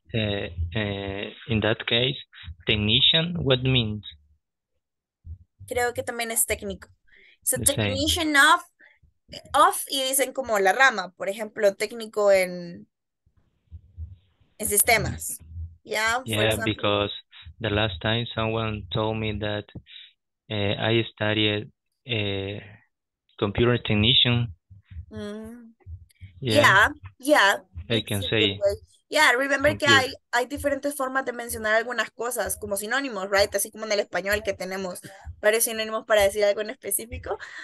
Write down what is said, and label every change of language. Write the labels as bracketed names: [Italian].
[English] In that case, technician, what means? [Spanish] Creo que también es técnico. [English] So the technician same. [Spanish] Off y dicen como la rama, por ejemplo, técnico en sistemas. [English] Yeah, yeah, because the last time someone told me that I studied computer technician. Mm. Yeah. I can say. Yeah, remember computer. [Spanish] Que hay diferentes formas de mencionar algunas cosas como sinónimos, right? Así como en el español que tenemos varios sinónimos para decir algo en específico.